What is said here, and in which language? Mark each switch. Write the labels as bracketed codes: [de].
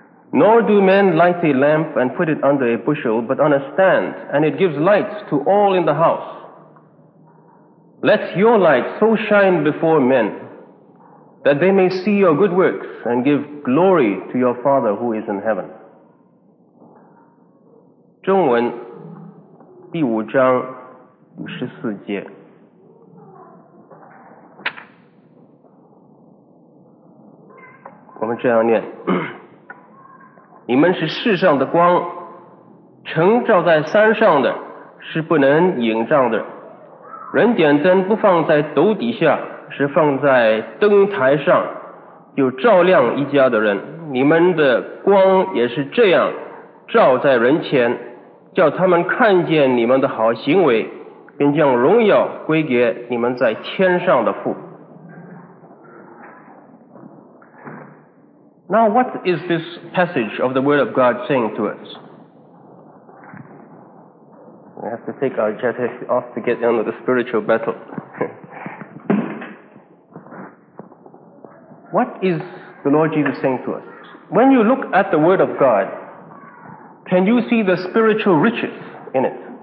[en] Nor do men light a lamp and put it under a bushel, but on a stand, and it gives light to all in the house. Let your light so shine before men that they may see your good works and give glory to your Father who is in heaven. [zh] 中文第五章第十四节，我们这样念：你们是世上的光，城照在山上的是不能隐藏的。人点灯不放在斗底下，是放在灯台上，就照亮一家的人。你们的光也是这样照在人前，叫他们看见你们的好行为，并将荣耀归给你们在天上的父。 [en] Now what is this passage of the word of God saying to us? We have to take our jacket off to get into the spiritual battle. What is the Lord Jesus saying to us? When you look at the word of God,Can you see the spiritual riches in it?